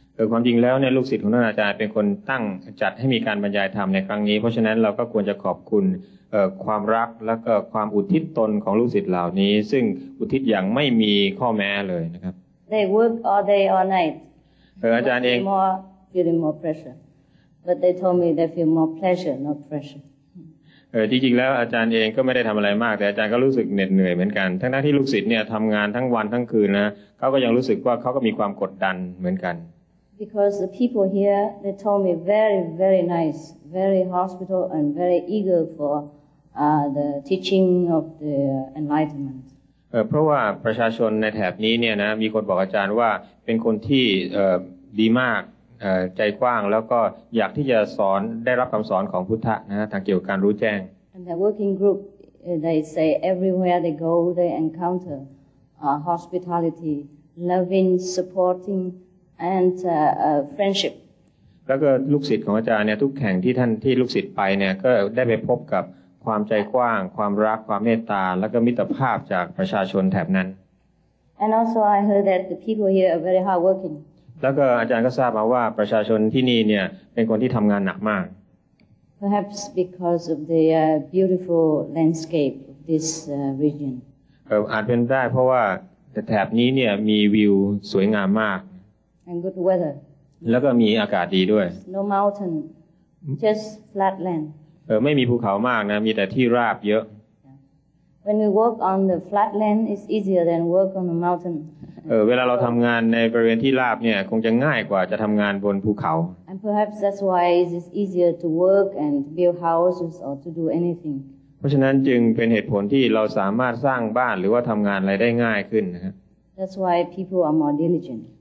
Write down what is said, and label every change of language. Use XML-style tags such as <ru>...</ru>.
<th>ความจริงแล้วเนี่ยลูกศิษย์ของท่านอาจารย์เป็นคนตั้งจัดให้มีการบรรยายธรรมในครั้งนี้เพราะฉะนั้นเราก็ควรจะขอบคุณความรักและก็ความอุทิศตนของลูกศิษย์เหล่านี้ซึ่งอุทิศอย่างไม่มีข้อแม้เลยนะครับ</th> <en>They work all day all night</en> <th>อาจารย์เอง</th> <en>feeling more pressure but they told me they feel more pleasure not pressure</en> <th>จริงๆแล้วอาจารย์เองก็ไม่ได้ทำอะไรมากแต่อาจารย์ก็รู้สึกเหน็ดเหนื่อยเหมือนกันทั้งที่ลูกศิษย์เนี่ยทำงานทั้งวันทั้งคืนนะเขาก็ยังรู้สึกว่าเขาก็มีความกดดันเหมือนกัน</th> <en>Because the people here, they told me very, very nice, very hospitable, and very eager for the teaching of the enlightenment.</en> <th>เพราะว่าประชาชนในแถบนี้เนี่ยนะมีคนบอกอาจารย์ว่าเป็นคนที่ดีมากใจกว้างแล้วก็อยากที่จะสอนได้รับคำสอนของพุทธะนะทางเกี่ยวกับการรู้แจ้ง</th> <en>And their working group, they say everywhere they go, they encounter hospitality, loving, supporting. And friendship.</en> <th>แล้วก็ลูกศิษย์ของอาจารย์เนี่ยทุกแห่งที่ท่านที่ลูกศิษย์ไปเนี่ยก็ได้ไปพบกับความใจกว้างความรักความเมตตาแล้วก็มิตรภาพจากประชาชนแถบนั้น</th> <en>And also I heard that the people here are very hardworking.</en> <th>แล้วก็อาจารย์ก็ทราบมาว่าประชาชนที่นี่เนี่ยเป็นคนที่ทำงานหนักมาก</th> <en>Perhaps because of the beautiful landscape of this region.</en> <th>อาจเป็นได้เพราะว่าแถบนี้เนี่ยมีวิวสวยงามมาก</th> <en>And good weather.</en> <th>แล้วก็มีอากาศดีด้วย</th> <en>No mountain, just flat land.</en> <th>ไม่มีภูเขามากนะมีแต่ที่ราบเยอะ</th> <en>When we work on the flat land, it's easier than work on the mountain.</en> <th>เวลาเราทำงานในบริเวณที่ราบเนี่ยคงจะง่ายกว่าจะทำงานบนภูเขา</th> <en>And perhaps that's why it's easier to work and build houses or to do anything.</en> <th>เพราะฉะนั้นจึงเป็นเหตุผลที่เราสามารถสร้างบ้านหรือว่าทำงานอะไรได้ง่ายขึ้นนะครับ</th> <en>That's why people are more diligent.</en>